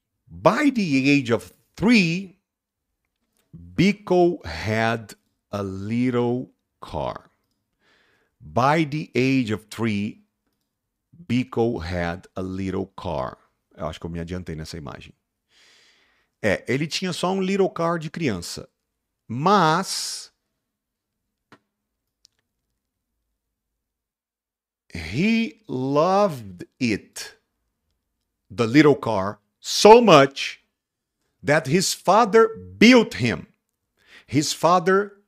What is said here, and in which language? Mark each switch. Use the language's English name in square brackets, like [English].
[English] By the age of 3, Beagle had a little car. By the age of 3, Beagle had a little car. [Portuguese] Eu acho que eu me adiantei nessa imagem. Ele tinha só um [English] little car [Portuguese] de criança. Mas [English] he loved it, the little car, so much that his father built him. His father